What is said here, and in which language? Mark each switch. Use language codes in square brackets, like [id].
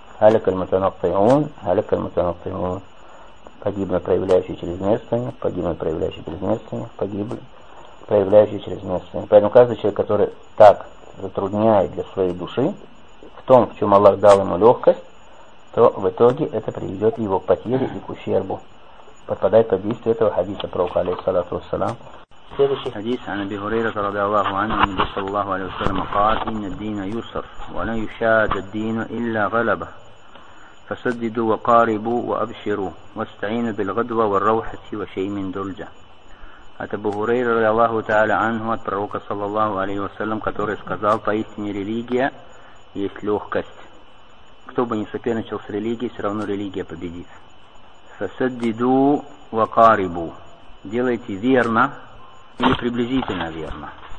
[ar] Галякаль мутанаттиун. Галякаль мутанаттиун. [ru] Погибли проявляющие чрезмерствование, погибли проявляющие чрезмерствование, погибли проявляющие чрезмерствование. Поэтому каждый человек, который так затрудняет для своей души в том, в чем Аллах дал ему легкость, то в итоге это приведет его к потере и к ущербу. Подпадает под действие этого хадиса пророка, алейхиссалату вассалам. Следующий хадис [ar] عن أبي هريرة رضي الله عنه عن النبي صلى الله عليه وسلم قال إن الدين يسر ولن يشاد الدين إلا غلبه فسددوا وقاربوا وأبشروا واستعينوا بالغدوة والروحة وشيء من درجة. [ru] От Абу Хурейры [ar] رضي الله تعالى عنه, [ru] от пророка [ar] صلى الله عليه وسلم, [ru] который сказал: поистине религия есть легкость, кто бы ни соперничал с религией, все равно религия победит. [ar] Фасаддиду вакарибу, [ru] делайте верно или приблизительно верно.